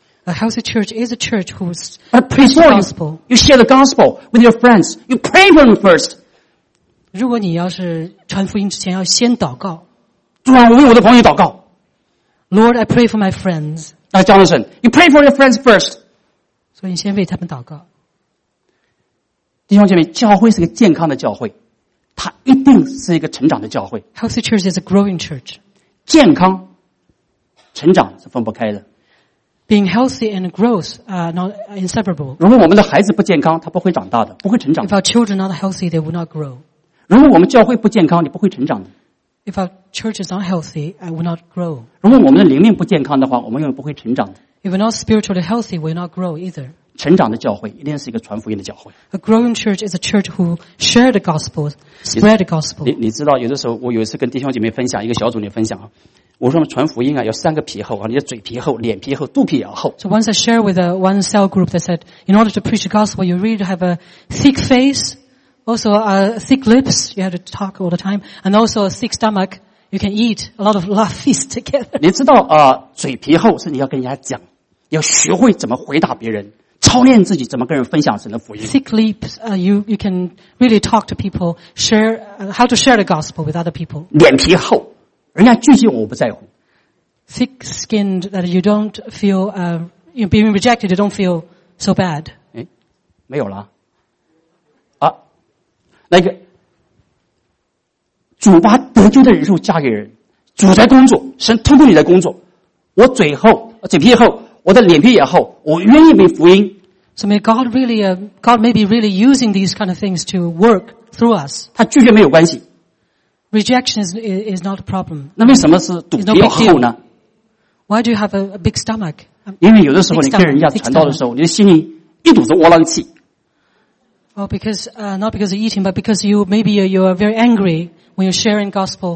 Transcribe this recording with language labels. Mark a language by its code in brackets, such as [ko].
[en] A healthy church is a church who is preaching the gospel. You share the gospel with your friends. You pray for them first. [zh] 如果你要是传福音之前要先祷告，主啊，我为我的朋友祷告。 [en] Lord, I pray for my friends. Jonathan, you pray for your friends first. [zh] 所以你先为他们祷告。弟兄姐妹，教会是个健康的教会，它一定是一个成长的教会。 [en] Healthy church is a growing church. [zh] 健康、成长是分不开的。 [en] Being healthy and growth are not inseparable. [zh] 如果我们的孩子不健康，他不会长大的，不会成长。 [en] If our children are not healthy, they will not grow. [zh] 如果我们教会不健康，你不会成长的。 [en] If our church is unhealthy, I will not grow. [zh] 如果我们的灵命不健康的话，我们永远不会成长的。 [en] If we're not spiritually healthy, we will not grow either. [zh] 成长的教会一定是一个传福音的教会。 [en] A growing church is a church who share the gospel, spread the gospel. [zh] 你知道，有的时候我有一次跟弟兄姐妹分享，一个小组里分享，我说传福音啊，要三个皮厚啊，你的嘴皮厚，脸皮厚，肚皮也要厚。 [en] So once I shared with one cell group, they said, in order to preach the gospel, you really have a thick face. Also, thick lips, you have to talk all the time, and also a thick stomach, you can eat a lot of feast together. [zh] 你知道，嘴皮厚是你要跟人家讲，要学会怎么回答别人，操练自己怎么跟人分享神的福音。 [en] Thick lips, you can really talk to people, how to share the gospel with other people. [zh] 脸皮厚，人家拒绝我不在乎。 [en] Thick skinned, that you don't feel, you're being rejected, you don't feel so bad. [zh] 诶，没有了。那个主把得救的人数嫁给人，主在工作，神通过你在工作。我嘴厚，嘴皮厚，我的脸皮也厚，我愿意为福音。 [en] So may God really, God may be really using these kind of things to work through us. [zh] 他拒绝没有关系。 [en] Rejection is not a problem. [zh] 那为什么是肚皮要厚呢 [en] ？Why do you have a big stomach? [zh] 因为有的时候你跟人家传道的时候，你的心里一肚子窝囊气。 [en] Oh, because, not because you're eating, but because you, maybe you are very angry when you're sharing gospel.